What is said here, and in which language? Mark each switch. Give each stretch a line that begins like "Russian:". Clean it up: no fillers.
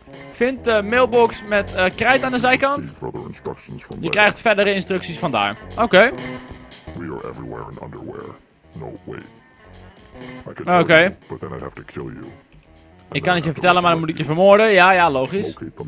Dutch: Vind de mailbox met krijt aan de zijkant. Je krijgt verdere instructies vandaar. Oké.
English: We are everywhere in underwear. No, wait. Oké. But then I'd have to kill you.
Dutch: Ik kan het je vertellen, maar dan moet ik je vermoorden. Ja, ja, logisch.